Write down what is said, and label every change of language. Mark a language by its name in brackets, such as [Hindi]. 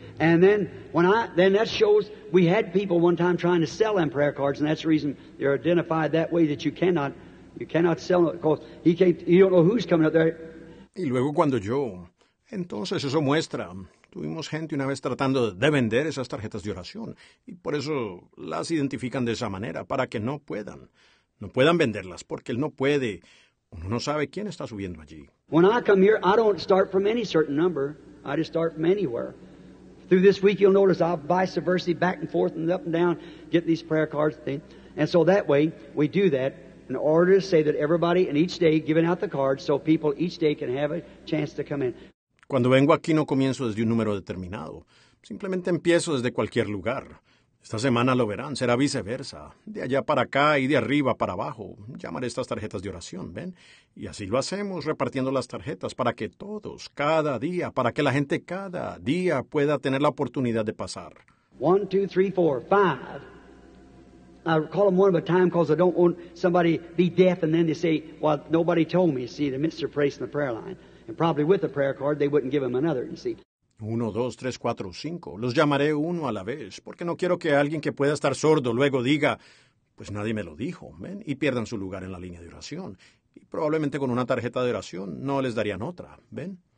[English] And then that shows we had people one time trying to sell them prayer cards, and that's the reason they're identified that way, that you cannot sell them, because you don't know who's coming up there. [Spanish] Y luego cuando yo, entonces eso muestra, tuvimos gente una vez tratando de vender esas tarjetas de oración, y por eso las identifican de esa manera, para que no puedan venderlas, porque él no puede, uno no sabe quién está subiendo allí. [English] When I come here, I don't start from any certain number, I just start from anywhere. Through this week, you'll notice I'll vice versa, back and forth and up and down, get these prayer cards thing. And so that way, we do that. In order to say that everybody in each day giving out the cards so people each day can have a chance to come in. [Spanish] Cuando vengo aquí no comienzo desde un número determinado. Simplemente empiezo desde cualquier lugar. Esta semana lo verán, será viceversa. De allá para acá y de arriba para abajo. Llamaré estas tarjetas de oración, ¿ven? Y así lo hacemos, repartiendo las tarjetas para que todos, cada día, para que la gente cada día pueda tener la oportunidad de pasar. [English] 1, 2, 3, 4, 5. I call them one at a time because I don't want somebody to be deaf and then they say, well, nobody told me, see, to miss their place in the prayer line. And probably with a prayer card, they wouldn't give them another, you see. 1, 2, 3, 4, 5. [Spanish] Los llamaré uno a la vez porque no quiero que alguien que pueda estar sordo luego diga, pues nadie me lo dijo, ¿ven? Y pierdan su lugar en la línea de oración. Y probablemente con una tarjeta de oración no les darían otra, ¿ven?